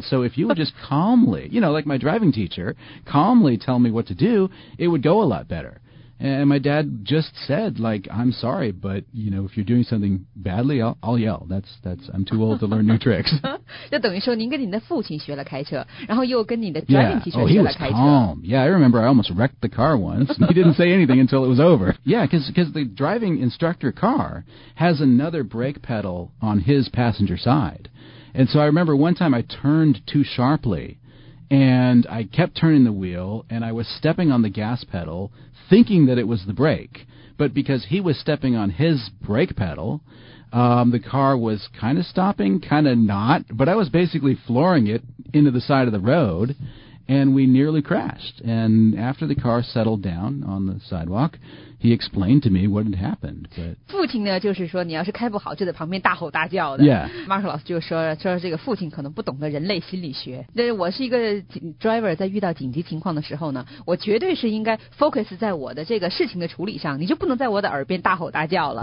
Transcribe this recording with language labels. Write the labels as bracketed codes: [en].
[en] So if you would just calmly, you know, like my driving teacher, calmly tell me what to do, it would go a lot better. And my dad just said, like, I'm sorry, but, you know, if you're doing something badly, I'll yell. That's, I'm too old to learn new tricks. [zh] 就等于说您跟您的父亲学了开车，然后又跟您的专业提车学了开车。 [en] Yeah, oh, he was calm. Yeah, I remember I almost wrecked the car once. He didn't say anything until it was over. Yeah, because the driving instructor car has another brake pedal on his passenger side. And so I remember one time I turned too sharply. And I kept turning the wheel, and I was stepping on the gas pedal, thinking that it was the brake. But because he was stepping on his brake pedal, the car was kind of stopping, kind of not. But I was basically flooring it into the side of the road, and we nearly crashed. And after the car settled down on the sidewalk... He explained to me what had happened. [zh] 父亲呢，就是说你要是开不好，就在旁边大吼大叫的。 [en] Yeah. [zh] Marshall 老师就说这个父亲可能不懂得人类心理学。那我是一个 driver， 在遇到紧急情况的时候呢，我绝对是应该 focus 在我的这个事情的处理上，你就不能在我的耳边大吼大叫了，